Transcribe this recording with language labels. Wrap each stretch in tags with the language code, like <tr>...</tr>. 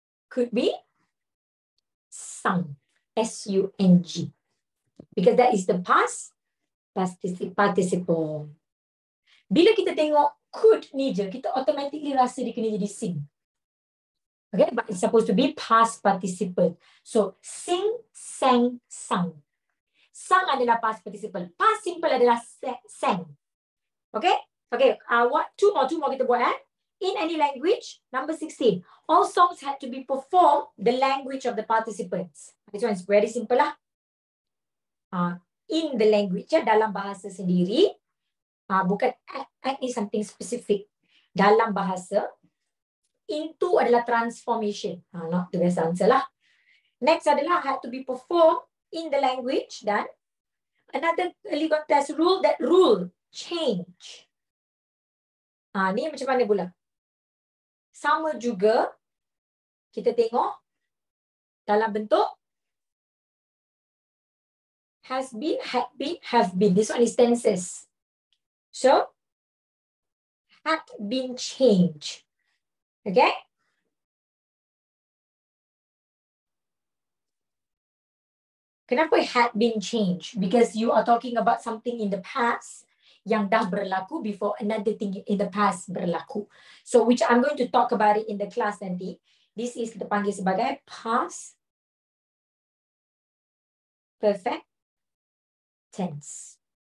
<en>Could be sung. S-U-N-G. Because that is the past. Participle.</en> <ms>Bila kita tengok could ni je, kita automatically rasa dia kena jadi sing.</ms> <en>Okay, but it's supposed to be past participle. So, sing, sang, sung.</en> <ms>Sung adalah past participle. Past simple adalah sang.</ms> <en>Okay? Okay, what, two more</en> <ms>kita buat eh?</ms> <en>In any language, number 16. All songs had to be performed the language of the participants. This one is very simple lah. In the language, ya,</en> <ms>dalam bahasa sendiri, bukan</ms> <en>act is something specific.</en> <ms>Dalam bahasa, into adalah transformation.</ms> <en>Not the best answer lah. Next</en> <ms>adalah</ms> <en>had to be performed in the language</en> <ms>dan</ms> <en>another early contest rule that rule, change.</en> <ms>Ni macam mana pula? Sama juga, kita tengok dalam bentuk has been, had been, have been.</ms> <en>This one is tenses. So, had been changed. Okay? Kenapa had been changed? Because you are talking about something in the past</en> <ms>yang dah berlaku</ms> <en>before another thing in the past</en> <ms>berlaku.</ms> <en>So, which I'm going to talk about it in the class</en> <ms>nanti.</ms> <en>This is</en> <ms>kita panggil sebagai</ms> <en>past perfect tense.</en>